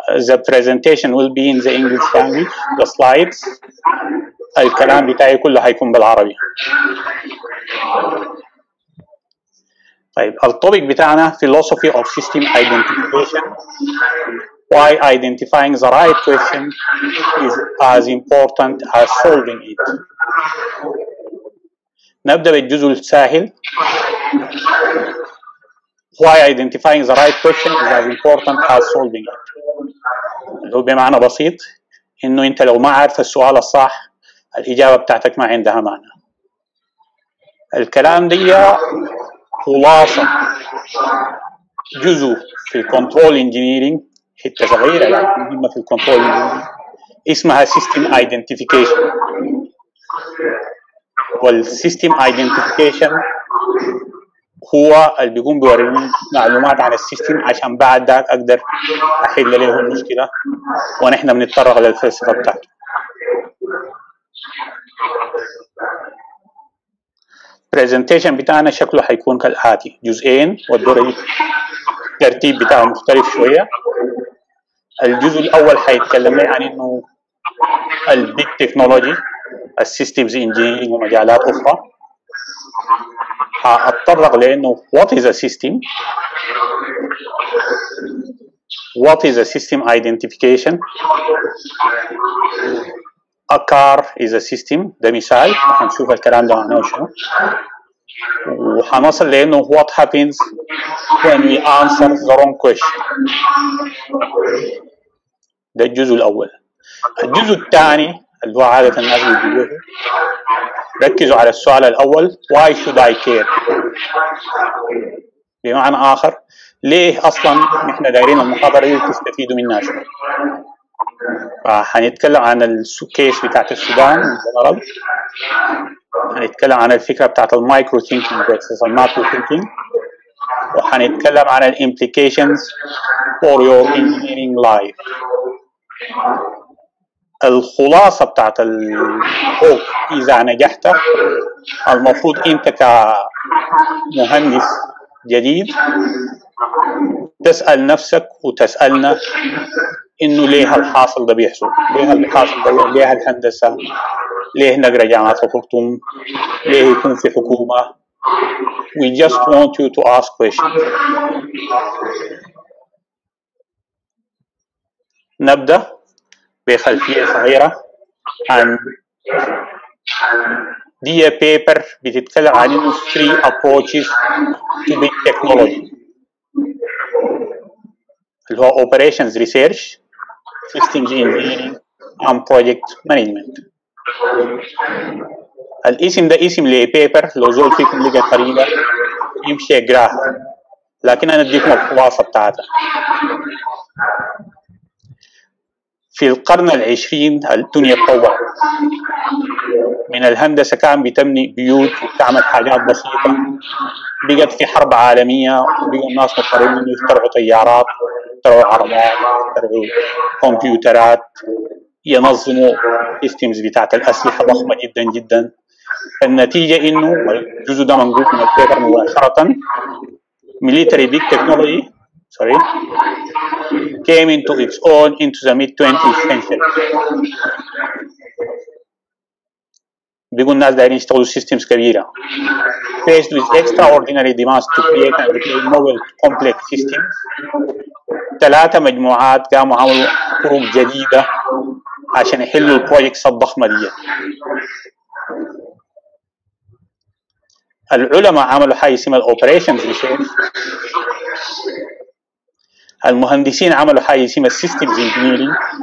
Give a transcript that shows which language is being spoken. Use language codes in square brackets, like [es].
[en] The presentation will be in the English language. The slides، [ar] الكلام بتاعي كله هيكون بالعربي. طيب الطوبيك بتاعنا [en] philosophy of system identification. Why identifying the right question is as important as solving it. [ar] نبدأ بالجزء السهل. [en] Why identifying the right question is as important as solving it. [ar] لو بمعنى بسيط إنه أنت لو ما عارف السؤال الصح الإجابة بتاعتك ما عندها معنى. الكلام دي خلاصة جزء في الكنترول إنجينيرينج، حتة صغيرة مهمة في الكنترول إنجينيرينج اسمها System Identification. والسيستم ايدنتيفيكيشن هو اللي بيقوم بيوريني معلومات عن السيستم عشان بعد ذاك اقدر احل له المشكله، ونحن بنتطرق للفلسفه بتاعته. البرزنتيشن بتاعنا شكله حيكون كالاتي، جزئين والدور الترتيب بتاعه مختلف شويه. الجزء الاول حيتكلم عن انه البيج تكنولوجي السيستمز انجينيرنج ومجالات اخرى. هاتطرق لانه [en] what is a system، what is a system identification، a car is a system، [ar] ده مثال هنشوف الكلام ده معناه شنو. وحنصل لانه [en] what happens when we answer the wrong question. [ar] ده الجزء الاول. الجزء الثاني اللي هو عادة الناس بيجيبوه، ركزوا على السؤال الأول [en] why should I care، [ar] بمعنى آخر ليه أصلا نحن دايرين المحاضرة دي تستفيدوا منها شوية. فهنتكلم عن الكيس بتاعت السودان، هنتكلم عن الفكرة بتاعت المايكرو ثينكينج، الماكرو ثينكينج، وحنتكلم عن [en] implications for your engineering life. [ar] الخلاصة بتاعت الخوف إذا نجحت المفروض أنت كمهندس جديد تسأل نفسك وتسألنا إنه ليه الحاصل ده بيحصل، ليه الحاصل ده، ليه الهندسة، ليه نقرأ جامعة الخرطوم، ليه يكون في حكومة. [en] We just want you to ask questions. [ar] نبدأ بخلفية صغيرة عن دي بيبر بتتكلم عن [en] three approaches to big technology [ar] اللي هو [en] operations research, systems engineering and project management. [ar] الاسم ده اسم لي بيبر لو زول فيكم لقى قريبة يمشي يقراها، لكن انا اديكم الخلاصة بتاعتها. في القرن العشرين الدنيا اتطورت، من الهندسة كان بتبني بيوت وتعمل حاجات بسيطة، بقت في حرب عالمية وبقوا الناس مضطرين انه يخترعوا طيارات، يخترعوا عربات، يخترعوا كمبيوترات، ينظموا سيستمز بتاعت الأسلحة ضخمة جدا جدا. النتيجة انه الجزء ده منقول من الكتاب مباشرة، ميليتري بيج تكنولوجي [en] came into its own into the mid 20th century. [ar] بيقول الناس دايرين يشتغلوا سيستمز كبيرة. [en] Faced with extraordinary demands to create and create novel complex systems. [ar] ثلاثة مجموعات قاموا عملوا كروب جديدة عشان يحلوا البروجكتس الضخمة دي. العلماء عملوا حاجة اسمها الأوبريشنز ريسيرش. المهندسين عملوا حاجة اسمها السيستمز انجينيرنج.